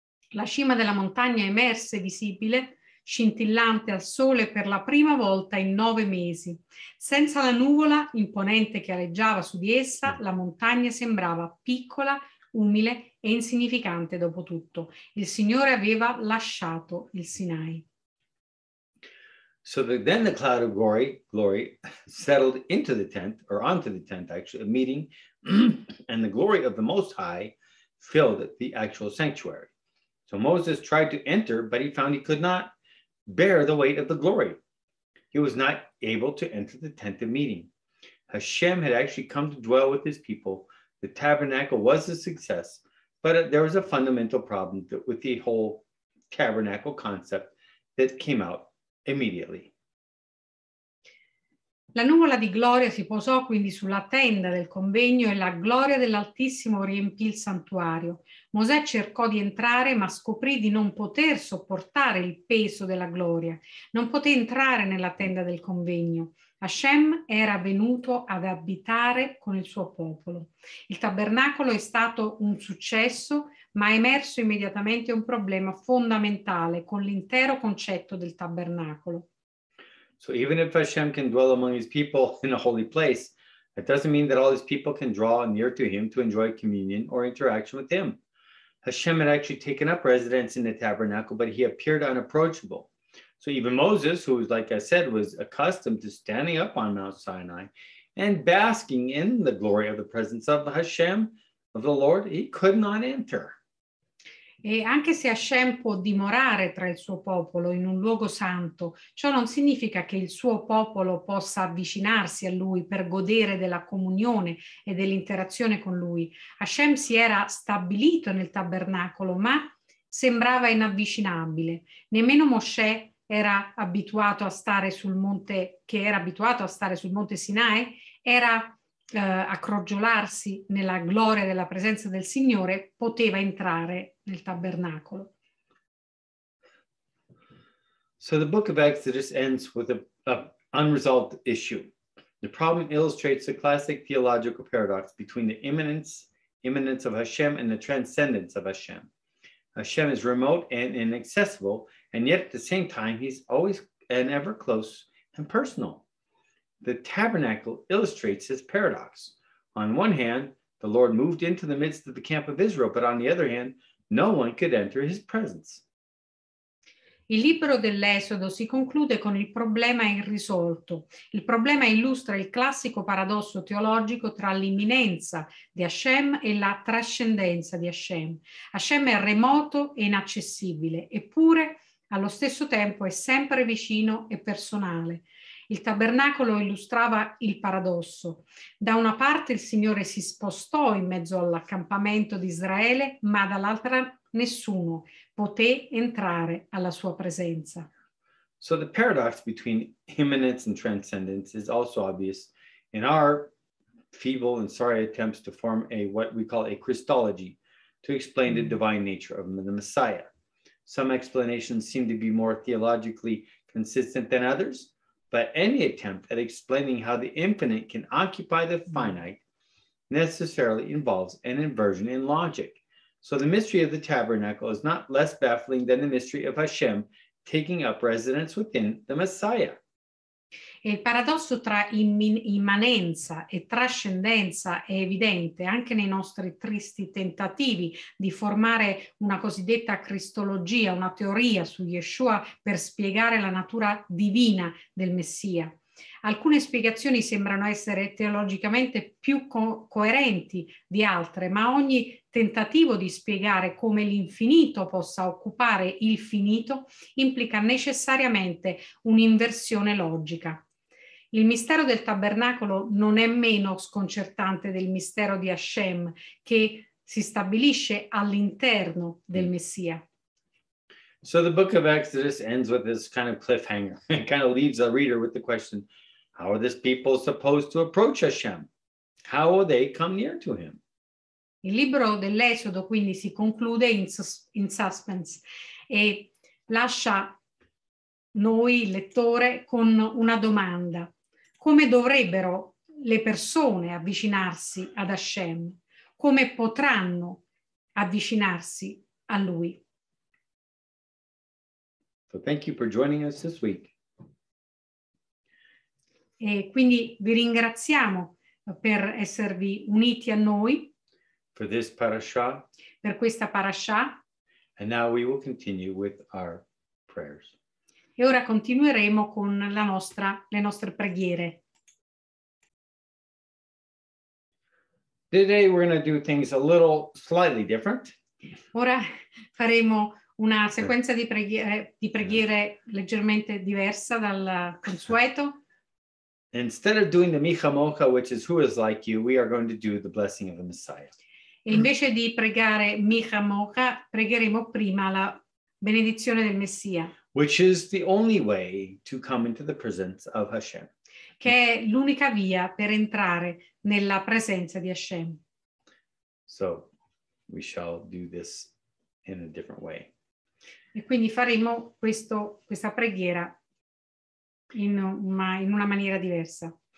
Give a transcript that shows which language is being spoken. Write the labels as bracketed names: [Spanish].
[Italian] La cima della montagna emerse visibile, scintillante al sole per la prima volta in 9 mesi. Senza la nuvola imponente che aleggiava su di essa, la montagna sembrava piccola, umile e insignificante dopo tutto. Il Signore aveva lasciato il Sinai. [English] So then the cloud of glory settled into the tent, or onto the tent actually, a meeting, and the glory of the Most High filled the actual sanctuary. So Moses tried to enter, but he found he could not bear the weight of the glory. He was not able to enter the tent of meeting. Hashem had actually come to dwell with his people. The tabernacle was a success, but there was a fundamental problem with the whole tabernacle concept that came out immediately. [Italian] La nuvola di gloria si posò quindi sulla tenda del convegno e la gloria dell'Altissimo riempì il santuario. Mosè cercò di entrare, ma scoprì di non poter sopportare il peso della gloria. Non poté entrare nella tenda del convegno. Hashem era venuto ad abitare con il suo popolo. Il tabernacolo è stato un successo, ma è emerso immediatamente un problema fondamentale con l'intero concetto del tabernacolo. [English] So even if Hashem can dwell among his people in a holy place, it doesn't mean that all his people can draw near to him to enjoy communion or interaction with him. Hashem had actually taken up residence in the tabernacle, but he appeared unapproachable. So even Moses, who, like I said, was accustomed to standing up on Mount Sinai and basking in the glory of the presence of Hashem, of the Lord, he could not enter. [Italian] E anche se Hashem può dimorare tra il suo popolo in un luogo santo, ciò non significa che il suo popolo possa avvicinarsi a lui per godere della comunione e dell'interazione con lui. Hashem si era stabilito nel tabernacolo, ma sembrava inavvicinabile. Nemmeno Mosè era abituato a stare sul monte, che era abituato a stare sul monte Sinai, era a crogiolarsi nella gloria della presenza del Signore, poteva entrare nel tabernacolo. [English] So the book of Exodus ends with an unresolved issue. The problem illustrates the classic theological paradox between the imminence of Hashem and the transcendence of Hashem. Hashem is remote and inaccessible, and yet at the same time, he's always and ever close and personal. The tabernacle illustrates this paradox. On one hand, the Lord moved into the midst of the camp of Israel, but on the other hand, no one could enter his presence. [Italian] Il libro dell'Esodo si conclude con il problema irrisolto. Il problema illustra il classico paradosso teologico tra l'imminenza di Hashem e la trascendenza di Hashem. Hashem è remoto e inaccessibile, eppure allo stesso tempo è sempre vicino e personale. Il tabernacolo illustrava il paradosso. Da una parte il Signore si spostò in mezzo all'accampamento di Israele, ma dall'altra nessuno poté entrare alla sua presenza. [English] So the paradox between imminence and transcendence is also obvious in our feeble and sorry attempts to form a what we call a Christology to explain the divine nature of the Messiah. Some explanations seem to be more theologically consistent than others. But any attempt at explaining how the infinite can occupy the finite necessarily involves an inversion in logic. So the mystery of the tabernacle is not less baffling than the mystery of Hashem taking up residence within the Messiah. [Italian] Il paradosso tra immanenza e trascendenza è evidente anche nei nostri tristi tentativi di formare una cosiddetta cristologia, una teoria su Yeshua per spiegare la natura divina del Messia. Alcune spiegazioni sembrano essere teologicamente più coerenti di altre, ma ogni tentativo di spiegare come l'infinito possa occupare il finito implica necessariamente un'inversione logica. Il mistero del tabernacolo non è meno sconcertante del mistero di Hashem che si stabilisce all'interno del Messia. [English] So the book of Exodus ends with this kind of cliffhanger. It kind of leaves the reader with the question, how are this people supposed to approach Hashem? How will they come near to him? [Italian] Il libro dell'Esodo quindi si conclude in suspense e lascia noi, il lettore, con una domanda. Come dovrebbero le persone avvicinarsi ad Hashem? Come potranno avvicinarsi a lui? [English] So thank you for joining us this week. [Italian] E quindi vi ringraziamo per esservi uniti a noi. [English] For this parasha. [Italian] Per questa parasha. [English] And now we will continue with our prayers. [Italian] E ora continueremo con le nostre preghiere. [English] Today we're going to do things a little slightly different. [Italian] Ora faremo una sequenza di preghiere leggermente diversa dal consueto. [English] Instead of doing the Micha Mocha, which is who is like you, we are going to do the blessing of the Messiah. [Italian] E invece di pregare Micha Mocha, pregheremo prima la benedizione del Messia. [English] Which is the only way to come into the presence of Hashem. [Italian] Che è l'unica via per entrare nella presenza di Hashem. [English] So, we shall do this in a different way. [Italian] E quindi faremo questa preghiera in una maniera diversa.